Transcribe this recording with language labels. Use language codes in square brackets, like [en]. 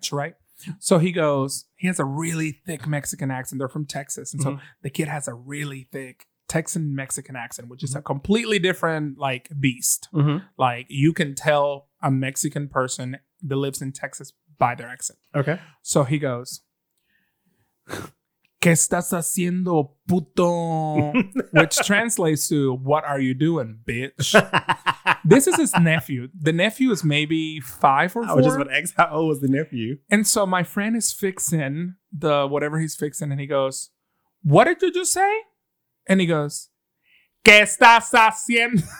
[en] Bitch, right? So he goes, he has a really thick Mexican accent. They're from Texas. And so the kid has a really thick Texan Mexican accent, which is a completely different like beast. Mm-hmm. Like you can tell a Mexican person that lives in Texas by their accent. Okay. So he goes, [es] ¿Qué estás haciendo, puto? [en] Which translates to, what are you doing, bitch? This is his nephew. The nephew is maybe 5 or 4. I was just about to ask, how old was the nephew? And so my friend is fixing the whatever he's fixing, and he goes, what did you just say? And he goes, [es] ¿Qué estás haciendo?